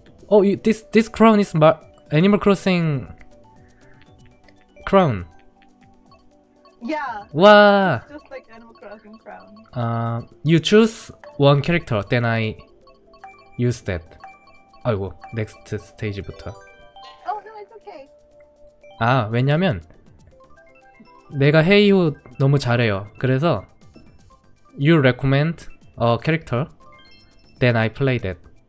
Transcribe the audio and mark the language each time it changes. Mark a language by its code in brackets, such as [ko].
[en] Oh, you, this crown is Animal Crossing crown. Yeah. Wow. It's just like Animal Crossing crown. You choose one character, then I use that. [ko] 아이고, [en] next stage [ko] 부터. [en] Oh no, it's okay. [ko] 아, 왜냐면 내가 헤이호 너무 잘해요. [en] 그래서 you recommend a character, then I play that.